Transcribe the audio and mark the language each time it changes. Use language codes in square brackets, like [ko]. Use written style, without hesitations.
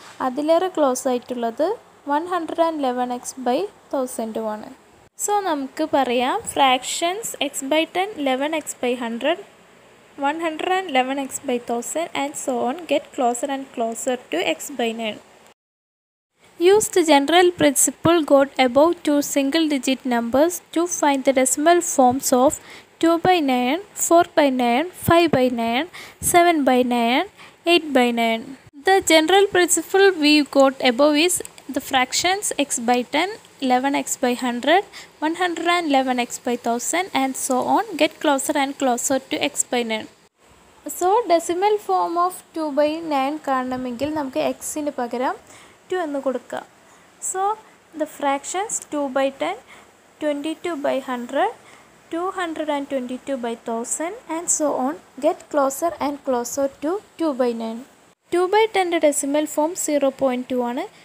[ml] അതിലേറെ ക്ലോസ് ആയിട്ടുള്ളത് 111x/1000 ആണ്. സോ നമുക്ക് പറയാം, [en] Fractions x by ten, 11x/100, 111x/1000 and so on get closer and closer to x by nine. Use the general principle got above to single digit numbers to find the decimal forms of 2/9, 4/9, 5/9, 7/9, 8/9. The general principle we got above is the fractions x by 10, 11x/100, 111x/1000 and so on get closer and closer to x by 9. [ml] So [en] decimal form of 2/9 [ml] കാണണമെങ്കിൽ നമുക്ക് എക്സിന് പകരം 2 എന്ന് കൊടുക്കാം. [en] So the fractions 2/10, 22/100, 222/1000 and so on get closer and closer to 2/9. [ml] 2/10 decimal form 0.2 ആണ്.